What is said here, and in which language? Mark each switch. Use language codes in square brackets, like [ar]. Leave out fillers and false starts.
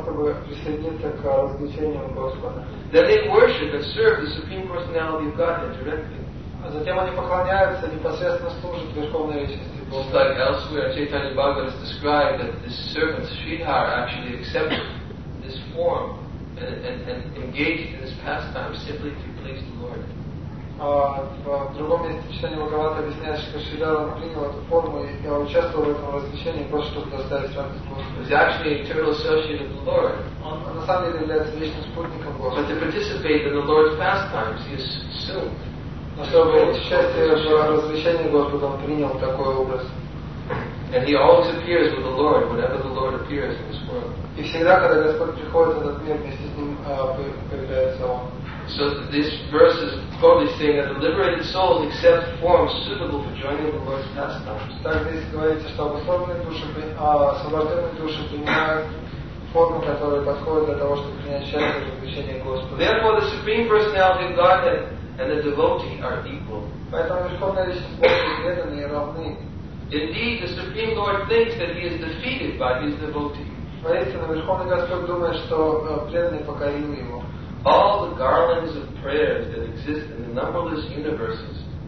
[en] Then they worship and serve the Supreme Personality of Godhead directly. [ru] Затем они поклоняются непосредственно служат Верховной Личности Бога. [en] Just like elsewhere, Chaitanya Bhagavat has described that this servant Sridhar actually accepted this form and engaged in this pastime simply to please the Lord. [ru] В другом месте Чайтанья Бхагавата объясняет, что Шридхар принял эту форму и участвовал в этом развлечении просто чтобы доставить радость Господу. [en] He's actually an eternal associate of the Lord. [ru] Он на самом деле является вечным спутником Бога. [en] But to participate in the Lord's pastimes, he assumed. [ru] Но чтобы участие в развлечении Господа, он принял такой образ. [en] And he always appears with the Lord whenever the Lord appears in this world. [ru] И всегда, когда Господь приходит в этот мир, вместе с ним появляется он. [en] So this verse is probably saying that the liberated souls accept forms suitable for joining the Lord's pastimes. [ru] Так здесь говорится, что освобожденные души принимают форму, которая подходит для того, чтобы принять участие в обучении Господа. [en] Therefore, the Supreme Personality of Godhead and the devotee are equal. [ru] Поэтому Верховная Личность Бога преданные равны. [en] Indeed, the Supreme Lord thinks that he is defeated by his devotee. [ru] Поистине, Верховный Господь думает, что преданный покорил его. [en] All the garlands of prayers that exist in the numberless universes.